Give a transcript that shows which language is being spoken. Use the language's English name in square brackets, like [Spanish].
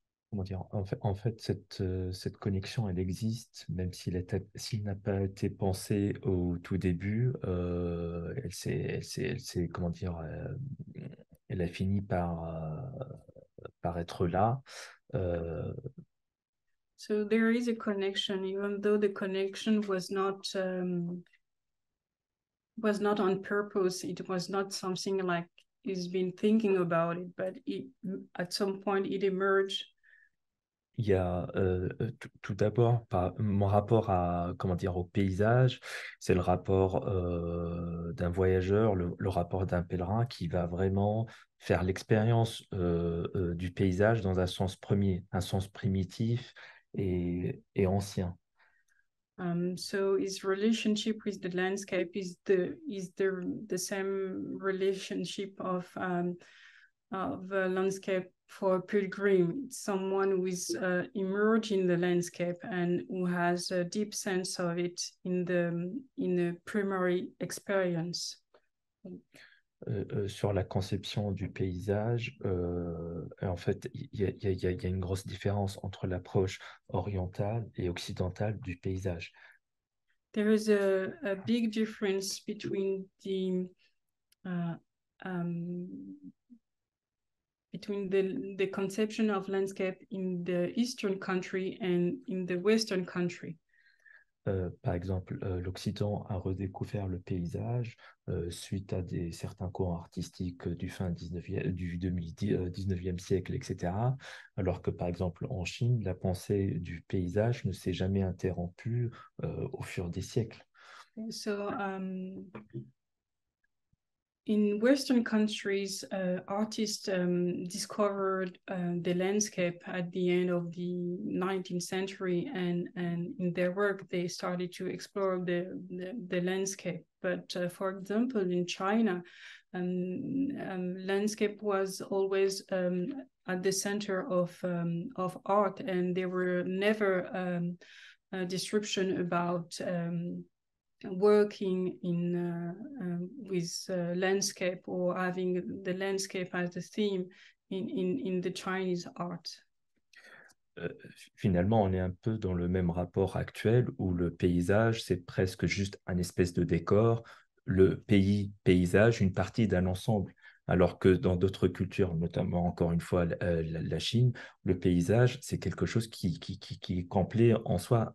[French] Comment dire, en fait cette connexion, elle existe, même s'il n'a pas été pensé au tout début, elle s'est comment dire, elle a fini par être là. [English] So there is a connection, even though the connection was not on purpose. It was not something like he's been thinking about it, but it, at some point it emerged. [French] Il y a tout d'abord mon rapport à, comment dire, au paysage, c'est le rapport d'un voyageur, le rapport d'un pèlerin qui va vraiment faire l'expérience du paysage dans un sens premier, un sens primitif et ancien. [English] So his relationship with the landscape is the same relationship of a landscape for a pilgrim, someone who is immersed in the landscape and who has a deep sense of it in the primary experience. [French] Sur la conception du paysage, en fait, il y a une grosse différence entre l'approche orientale et occidentale du paysage. [English] There is a big difference between the between the conception of landscape in the Eastern country and in the Western country. [French] Par exemple, l'Occident a redécouvert le paysage suite à certains courants artistiques du fin 19e, du 19e siècle, etc. Alors que, par exemple, en Chine, la pensée du paysage ne s'est jamais interrompue au fur des siècles. [English] So in Western countries, artists discovered the landscape at the end of the 19th century, and in their work they started to explore the landscape. But for example, in China, landscape was always at the center of art, and there were never a description about working in with landscape or having the landscape as a theme in the Chinese art. [French] Finalement, on est un peu dans le même rapport actuel où le paysage, c'est presque juste un espèce de décor, le pays paysage, une partie d'un ensemble. Alors que dans d'autres cultures, notamment encore une fois la Chine, le paysage, c'est quelque chose qui est complet en soi.